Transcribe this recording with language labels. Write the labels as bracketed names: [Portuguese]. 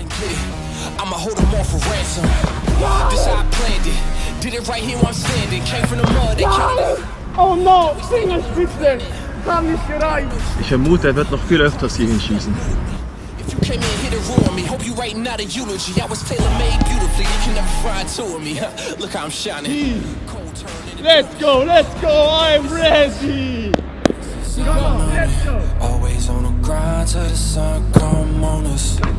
[English] I'ma hold them all for ransom. This I planned it. Did it right here where I'm standing. Came from the mud. [German] Oh no, Fingerspitze. Kann nicht gereicht. Ich vermute, er wird noch viel öfters hier hinschießen. [English] If you came in here to ruin me, hope you writing out a eulogy. I was tailor-made beautifully, you can never fry two of me. Look how I'm shining. Cold turn. Let's go, I'm ready. Come on, let's go. Always on the grind till the sun come on us.